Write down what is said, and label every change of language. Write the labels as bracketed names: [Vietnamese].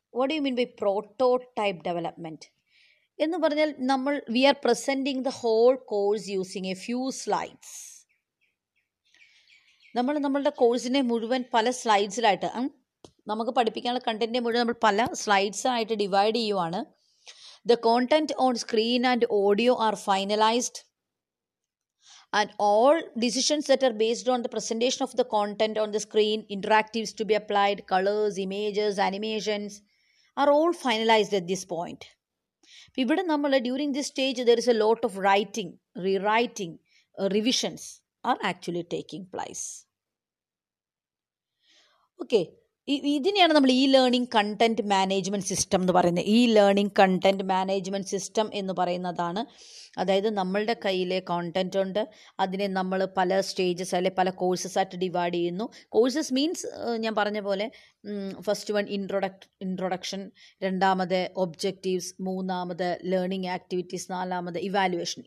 [English] what you mean by prototype development [Malayalam] എന്ന് പറഞ്ഞാൽ, നമ്മൾ [English] We are presenting the whole course using a few slides. [Malayalam] നമ്മൾ നമ്മളുടെ കോഴ്സിനെ മുഴുവൻ പല സ്ലൈഡ്സിലായിട്ട്, നമുക്ക് പഠിപ്പിക്കാനുള്ള കണ്ടന്റിനെ മുഴുവൻ നമ്മൾ പല സ്ലൈഡ്സായിട്ട് ഡിവൈഡ് ചെയ്യുവാണ്. [English] The content on screen and audio are finalized, and all decisions that are based on the presentation of the content on the screen, interactives to be applied, colors, images, animations, are all finalized at this point. [Malayalam] ഇവിടെ നമ്മൾ [English] during this stage there is a lot of writing, rewriting, revisions are actually taking place. Okay. [Malayalam] ഇതിനെയാണ് നമ്മൾ E learning content management system എന്ന് പറയുന്നത്. E learning content management system എന്ന് പറയുന്നതാണ്. അതായത് നമ്മളുടെ കയ്യിലെ കോണ്ടന്റ് ഉണ്ട്, അതിനെ നമ്മൾ പല സ്റ്റേജസ് അല്ലെ പല കോഴ്സസായിട്ട് ഡിവൈഡ് ചെയ്യുന്നു. കോഴ്സസ് മീൻസ് ഞാൻ പറഞ്ഞ പോലെ ഫസ്റ്റ് വൺ ഇൻട്രൊഡക്ഷൻ, രണ്ടാമത് ഒബ്ജക്റ്റീവ്സ്, മൂന്നാമത് ലേണിംഗ് ആക്ടിവിറ്റീസ്, നാലാമത് ഇവാലുവേഷൻ.